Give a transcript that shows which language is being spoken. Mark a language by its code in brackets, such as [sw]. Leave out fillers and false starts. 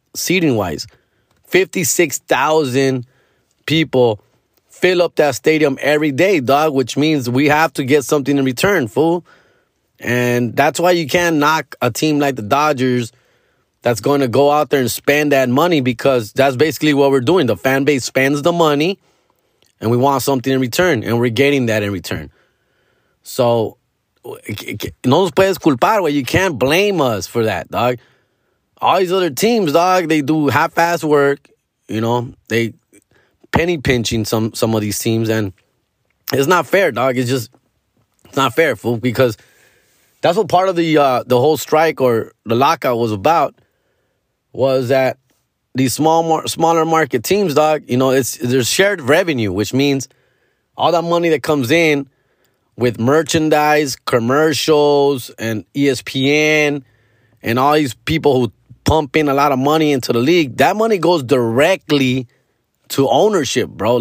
[en] Seating wise, 56,000 people fill up that stadium every day, dog, which means we have to get something in return, fool. And that's why you can't knock a team like the Dodgers that's going to go out there and spend that money, because that's basically what we're doing. The fan base spends the money and we want something in return, and we're getting that in return. [es] So, no nos puedes culpar, güey. [en] You can't blame us for that, dog. All these other teams, dog, they do half-ass work, you know. They penny-pinching some of these teams, and it's not fair, dog. It's not fair, fool, because that's what part of the whole strike or the lockout was about, was that these smaller market teams, dog, you know, there's shared revenue, which means all that money that comes in with merchandise, commercials, and ESPN, and all these people who pump in a lot of money into the league, that money goes directly to ownership, bro.